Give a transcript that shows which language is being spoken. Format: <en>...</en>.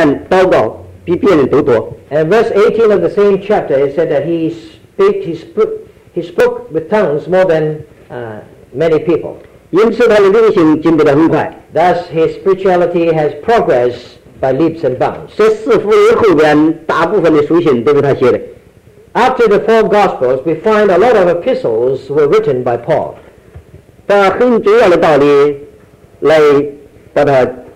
<zh>哥林多前书40章18节这里讲,他说的方言,祷告,比别人都多。</zh> <en>And verse 18 of the same chapter, it said that he spoke with tongues more than many people.</en> <zh>因此他的灵性进步得很快。</zh> <en>Thus his spirituality has progressed by leaps and bounds.</en> <zh>这四福音后边,大部分的书信都是他写的。</zh> <en>After the four Gospels, we find a lot of epistles were written by Paul.</en> <zh>把很重要的道理, 来把它,</zh>